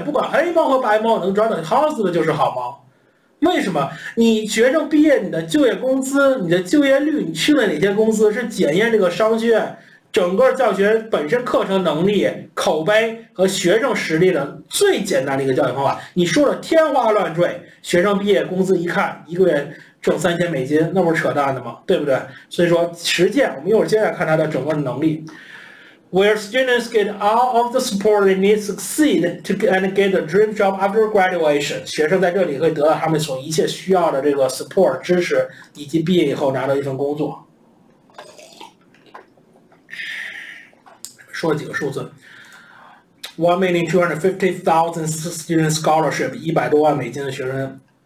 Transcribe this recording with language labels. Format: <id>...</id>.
<zh>不管黑猫和白猫，能抓到耗子的就是好猫。为什么你学生毕业，你的就业工资，你的就业率，你去了哪些公司，是检验这个商学院整个教学本身课程能力、口碑和学生实力的最简单的一个教学方法。你说了天花乱坠，学生毕业工资一看，一个月挣3000美金，那不是扯淡的吗？对不对？所以说实践，我们一会儿接下来看他的整个能力。</zh> <en>Where students get all of the support they need to succeed to and get the dream job after graduation.</en> <zh>学生在这里会得到他们所一切需要的这个 support 支持，以及毕业以后拿到一份工作。说了几个数字。 1,250,000 student scholarship, 100多万美金的学生。</zh>